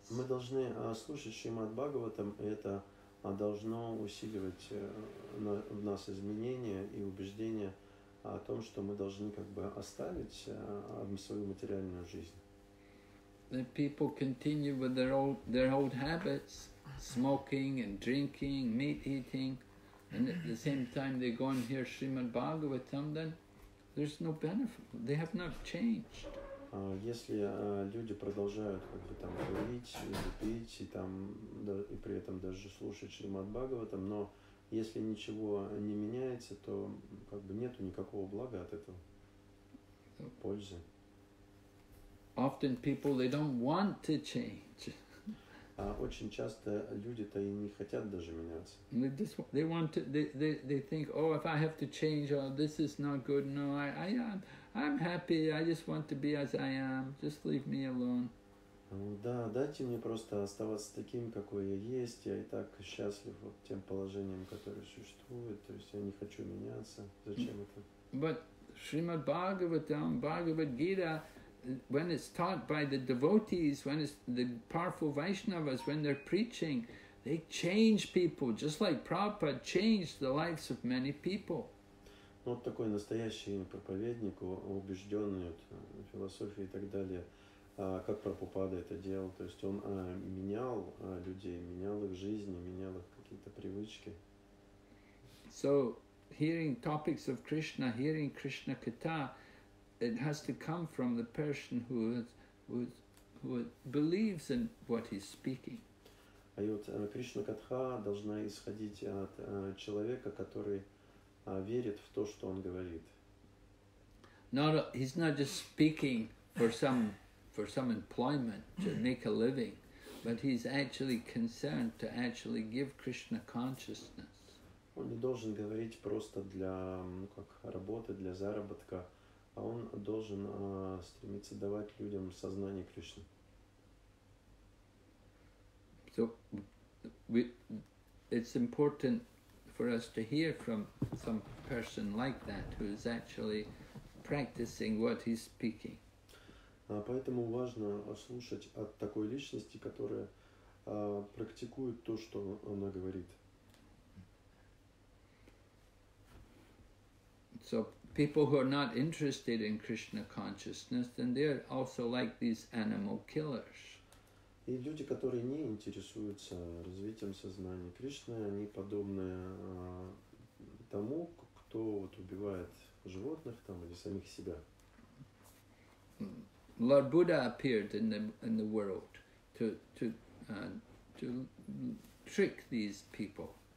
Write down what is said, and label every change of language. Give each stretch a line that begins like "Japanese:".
Russian: Мы должны слушать Шримад Бхагаватам, это должно усиливать в нас изменения и убеждения о том, что мы должны как бы оставить свою материальную жизнь.
English: The people continue with their old habits, smoking and drinking, meat eating, and at the same time they go and hear Srimad Bhagavatam, then there's no benefit. They have not changed.
Russian: Если люди продолжают как бы там курить, пить и там да, и при этом даже слушать Шримад Бхагаватам, но если ничего не меняется, то как бы нету никакого блага от этого, пользы.
English: Often people they don't want to change.
Russian: Очень часто люди-то и не хотят даже меняться.
English: They think, oh, if I have to change, oh, this is not good. No, I'm happy. I just want to be as I am. Just leave me alone.
Russian: Да, дайте мне просто оставаться таким, какой я есть. Я и так счастлив вот тем положением, которое существует. То есть я не хочу меняться. Зачем это?
English: But Srimad Bhagavatam, Bhagavad Gita, when it's taught by the devotees, when it's the powerful Vaishnavas, when they're preaching, they change people, just like Prabhupada changed the lives of many people.
Russian: Вот такой настоящий проповедник, убежденный вот, философии и так далее. Как Прабхупада это делал, то есть он менял людей, менял их жизни, менял их какие-то привычки.
English: So, hearing topics of Krishna, hearing Krishna Katha, it has to come from the person who believes in what he's speaking.
Russian: И вот Кришна Катха должна исходить от человека, который верит в то, что он говорит.
English: He's not just speaking for some employment to make a living, but he's actually concerned to actually give Krishna consciousness.
Russian: Он не должен говорить просто для, ну, как работы, для заработка, а он должен стремиться давать людям сознание Кришны.
English: So it's important for us to hear from some person like that who is actually practicing what he's speaking.
Russian: Поэтому важно слушать от такой личности, которая практикует то, что она говорит.
English: So people who are not interested in Krishna consciousness, then they're also like these animal killers.
Russian: И люди, которые не интересуются развитием сознания Кришны, они подобны тому, кто вот убивает животных там или самих себя.
English: Lord Buddha appeared in the world to trick these people.